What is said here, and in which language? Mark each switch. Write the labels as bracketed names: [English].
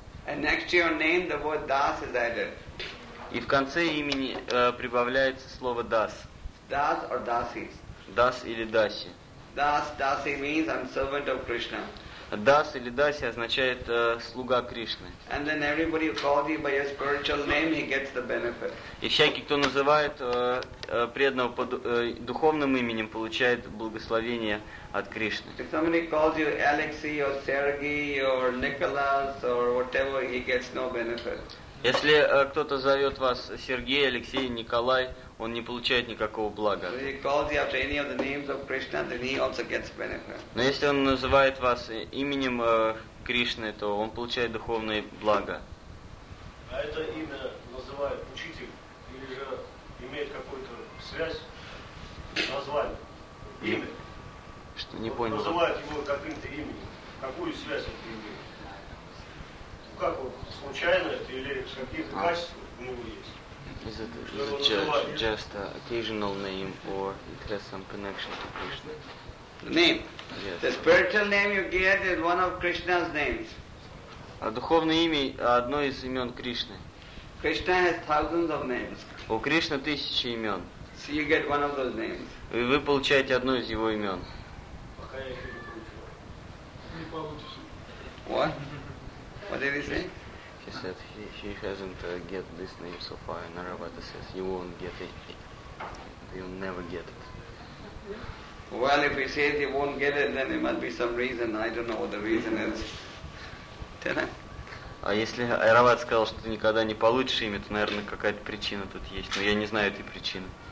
[English] And next to your name, the word Das is added. [Russian] И в конце имени прибавляется слово Das. [English] Das or Dasi. [Russian] Das или Dasi. [English] Das, Dasi means I'm servant of Krishna. [Russian] Das или Dasi означает слуга Кришны. [English] And then everybody who calls you by your spiritual name, he gets the benefit. [Russian] И всякий, кто называет преданного под духовным именем, получает благословение от Кришны. [English] If somebody calls you Alexey or Sergey or Nicholas or whatever, he gets no benefit. [Russian] Если кто-то зовет вас Сергей, Алексей, Николай, он не получает никакого блага. Но если он называет вас именем Кришны, то он получает духовное благо. А это имя называет учитель или же имеет какую-то связь с названием? Имя. Что, не понял. Он называет его каким-то именем. Какую связь это имеет? [English] Is it just an occasional name, or it has some connection to Krishna? name. Yes. The spiritual name you get is one of Krishna's names. [Russian] А духовное имя одно из имен Кришны. [English] Krishna has thousands of names. [Russian] У Кришны тысячи имен. [English] So you get one of those names. [Russian] И вы получаете одно из его имен. Пока я их не получу. Не получишь. [English] What? What did he say? He said he hasn't get this name so far. Narabata says you won't get it. You'll never get it. Well, if he says he won't get it, then there must be some reason. I don't know what the reason is. [Russian] А если Айрават сказал, что ты никогда не получишь имя, то, наверное, какая-то причина тут есть. Но я не знаю этой причины.